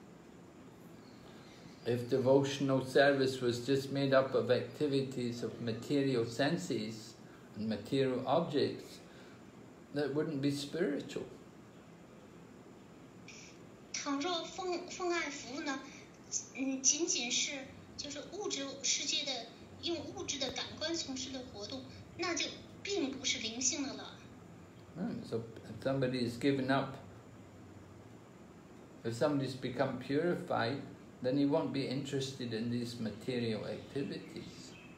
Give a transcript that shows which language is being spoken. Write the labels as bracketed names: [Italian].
[Chinese] 奉献服务要远远优越于物质世界的任何普通活动。If [English] devotional service was just made up of activities of material senses and material objects, that wouldn't be spiritual. [Chinese] 倘若奉爱服务呢，仅仅是就是物质世界的用物质的感官从事的活动，那就并不是灵性的了。 [English] So if somebody is given up, if somebody's become purified, then he won't be interested in these material activities.